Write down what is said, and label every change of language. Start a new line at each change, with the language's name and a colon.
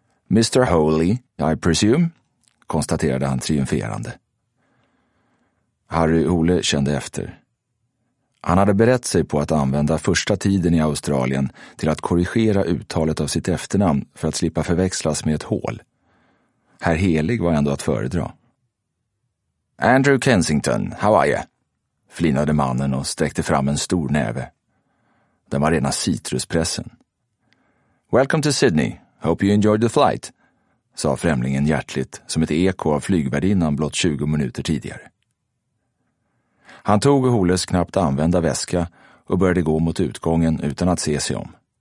English: Mr. Holy, I presume,
Swedish: konstaterade han triumferande. Harry Hole kände efter. Han hade berett sig på att använda första tiden i Australien till att korrigera uttalet av sitt efternamn för att slippa förväxlas med ett hål. Herr Helig var ändå att föredra.
English: Andrew Kensington, how are you?
Swedish: Flinade mannen och sträckte fram en stor näve. Den var rena citruspressen.
English: Welcome to Sydney. Hope you enjoyed the flight,
Swedish: sa främlingen hjärtligt som ett eko av flygvärdinnan blott 20 minuter tidigare. Han tog Holes knappt använda väska och började gå mot utgången utan att se sig om.